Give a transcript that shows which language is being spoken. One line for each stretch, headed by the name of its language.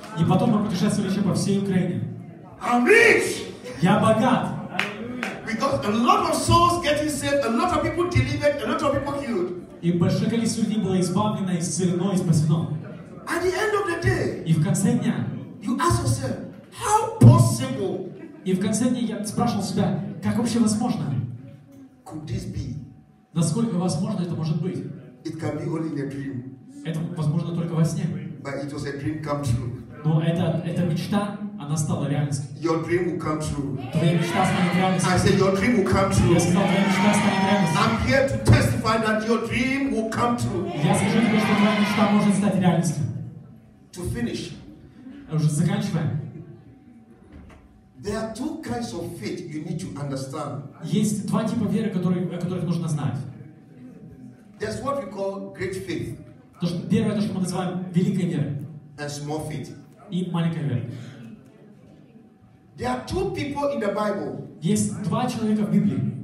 Russian: И потом мы путешествовали еще по всей Украине.
English: I'm rich.
Russian: Я богат.
English: Because a lot of souls getting saved, a lot of people delivered, a lot of people healed.
Russian: И большое количество людей было избавлено, исцелено и спасено.
English: At the end of the day,
Russian: и в конце дня,
English: you ask yourself, how possible?
Russian: И в конце дня я спрашивал себя, как вообще возможно?
English: Could this be?
Russian: Насколько возможно это может быть?
English: It can be only in a dream.
Russian: Это возможно только во сне.
English: But it was a dream come true.
Russian: Но это мечта, она стала реальностью.
English: Your dream will come true.
Russian: Твоя мечта станет реальностью.
English: I said your dream will come true.
Russian: Я сказал, твоя мечта станет реальностью.
English: I'm here to testify that your dream will come true.
Russian: Я скажу тебе, что твоя мечта может стать реальностью.
English: To finish.
Russian: Уже заканчиваем.
English: There are two kinds of faith you need to understand.
Russian: Есть два типа веры, о которых нужно знать.
English: There's what we call great faith.
Russian: То, что первое, то, что мы называем великой верой.
English: And small faith.
Russian: И маленькая вера.
English: There are two people in the Bible.
Russian: Есть два человека в Библии.